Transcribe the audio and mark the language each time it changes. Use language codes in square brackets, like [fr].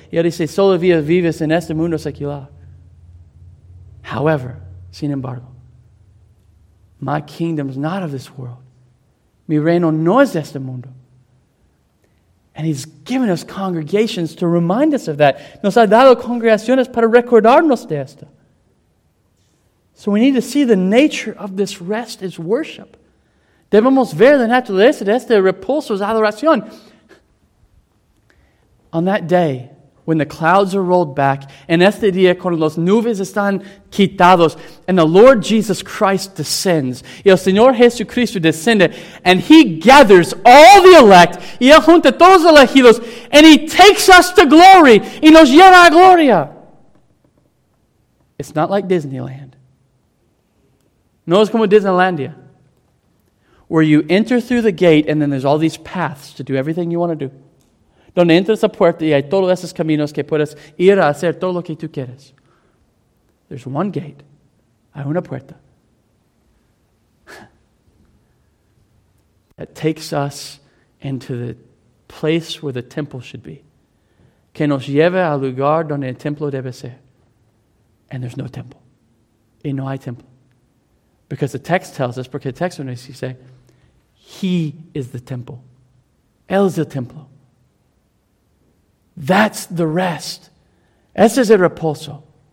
[es] Y él dice, solo vives en este mundo secular. [en] However, [es] sin embargo, [en] my kingdom is not of this world. [es] Mi reino no es de este mundo. [en] And He's given us congregations to remind us of that. [es] Nos ha dado congregaciones para recordarnos de esto. [en] So we need to see the nature of this rest is worship. [es] Debemos ver la naturaleza de este reposo es adoración. [en] On that day, when the clouds are rolled back, [es] en este día cuando los nubes están quitados, [en] and the Lord Jesus Christ descends, [es] y el Señor Jesucristo descende, [en] and He gathers all the elect, [es] y Él junta todos los elegidos, [en] and He takes us to glory, [es] y nos lleva a gloria. [en] It's not like Disneyland. [es] No es como Disneylandia, [en] where you enter through the gate, and then there's all these paths to do everything you want to do. [es] donde entra esa puerta y hay todos esos caminos que puedes ir a hacer todo lo que tú quieres. [en] There's one gate. [es] Hay una puerta. [en] That takes us into the place where the temple should be. [es] Que nos lleva al lugar donde el templo debe ser. [en] And there's no temple. [es] Y no hay temple. [en] Because the text tells us, [es] porque el texto nos dice, [en] He is the temple. [es] Él es el templo. [en] That's the rest. [es] Ese es el reposo.